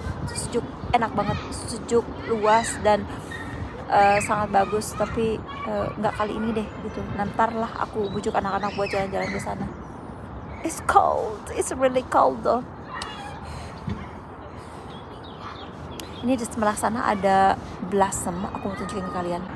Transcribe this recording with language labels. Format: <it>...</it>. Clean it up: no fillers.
<id>Sejuk, enak banget, sejuk, luas dan sangat bagus, tapi nggak kali ini deh gitu, nantar lah aku bujuk anak-anak buat jalan-jalan ke sana.</id> <en>It's cold, it's really cold though.</en> <id>Ini di sebelah sana ada blossom, aku mau tunjukin ke kalian.</id>